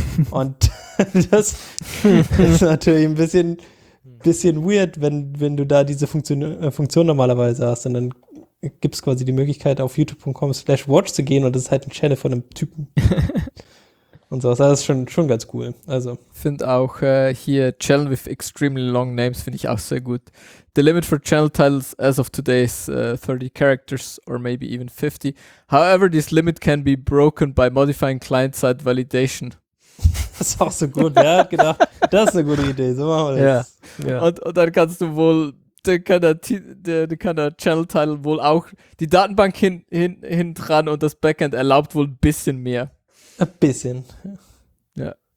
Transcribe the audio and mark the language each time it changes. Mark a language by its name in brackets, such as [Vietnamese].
[German] Und das ist natürlich ein bisschen weird, wenn du da diese Funktion normalerweise hast. Und dann gibt es quasi die Möglichkeit, auf youtube.com/watch zu gehen und das ist halt ein Channel von einem Typen. Und sowas. Das ist schon ganz cool. Also finde auch hier [English] Channel with extremely long names, [German] finde ich auch sehr gut. [English] The limit for channel titles as of today is 30 characters or maybe even 50. However, this limit can be broken by modifying client-side validation. [German] Das ist auch so gut, ja, genau. Das ist eine gute Idee, so machen wir das. [English] Yeah. Yeah. [German] Und dann kannst du wohl, dann kann der Channel-Title wohl auch die Datenbank hin dran und das Backend erlaubt wohl ein bisschen mehr. Ein bisschen. Ja.